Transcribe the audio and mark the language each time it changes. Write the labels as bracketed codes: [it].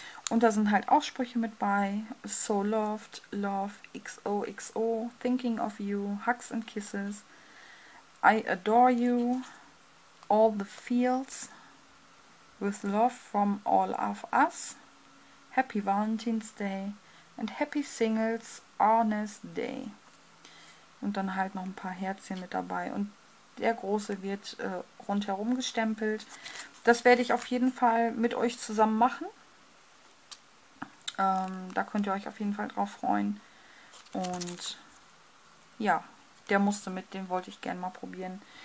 [de] Und da sind halt auch Sprüche mit bei. [en] So loved, love, XOXO, thinking of you, hugs and kisses, I adore you, all the fields, with love from all of us, happy Valentine's Day and happy singles, honest day. [de] Und dann halt noch ein paar Herzchen mit dabei. Und der große wird rundherum gestempelt. Das werde ich auf jeden Fall mit euch zusammen machen. Da könnt ihr euch auf jeden Fall drauf freuen. Und ja, der musste mit, den wollte ich gerne mal probieren.